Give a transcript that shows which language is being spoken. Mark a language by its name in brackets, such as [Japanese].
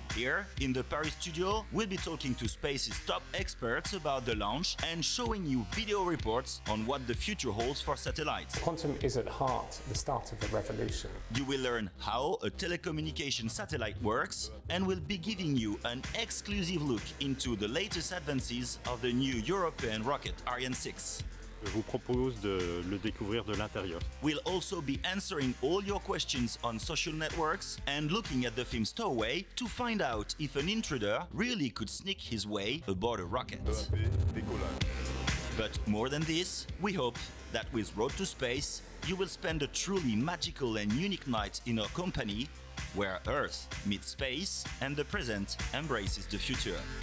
[English] Here, in the Paris studio, we'll be talking to space's top experts about the launch and showing you video reports on what the future holds for satellites. Quantum is at heart the start of the revolution. You will learn how a telecommunication satellite works, and we'll be giving you an exclusive look into the latest advances of the new European rocket Ariane 6. [French] Je vous propose de le découvrir de l'intérieur. [English] We'll also be answering all your questions on social networks and looking at the film Stowaway to find out if an intruder really could sneak his way aboard a rocket. But more than this, we hope that with Road to Space, you will spend a truly magical and unique night in our company, where Earth meets space and the present embraces the future.